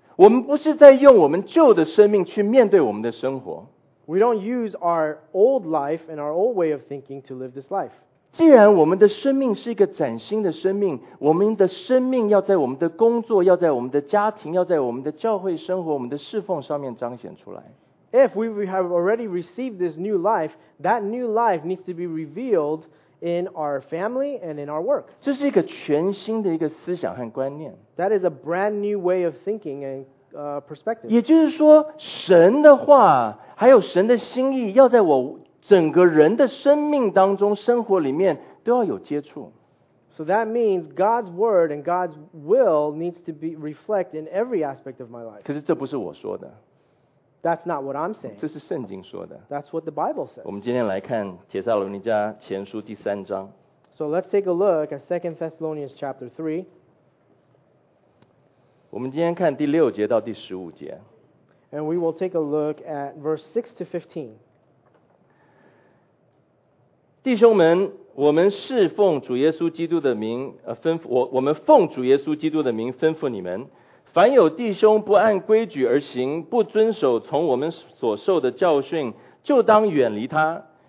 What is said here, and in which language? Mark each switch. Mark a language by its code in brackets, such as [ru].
[zh] 我们不是在用我们旧的生命去面对我们的生活。 [en] We don't use our old life and our old way of thinking to live this life. [zh] 既然我们的生命是一个崭新的生命，我们的生命要在我们的工作，要在我们的家庭，要在我们的教会生活，我们的侍奉上面彰显出来。 [en] If we have already received this new life, that new life needs to be revealed in our family and in our work. [zh] 这是一个全新的一个思想和观念。 [en] That is a brand new way of thinking and perspective. [zh] 也就是说，神的话，还有神的心意，要在我整个人的生命当中，生活里面，都要有接触。 [en] So that means God's word and God's will needs to be reflected in every aspect of my life. [zh] 可是这不是我说的。 [en] That's not what I'm saying. [zh] 这是圣经说的。 [en] That's what the Bible says. [zh] 我们今天来看帖撒罗尼迦前书第三章。 [en] So let's take a look at 2 Thessalonians chapter 3. [zh] 我们今天看第六节到第十五节。 [en] And we will take a look at verse 6 to 15. [zh] 弟兄们，我们侍奉主耶稣基督的名，吩咐我们奉主耶稣基督的名吩咐你们。凡有弟兄不按规矩而行，不遵守从我们所受的教训，就当远离他。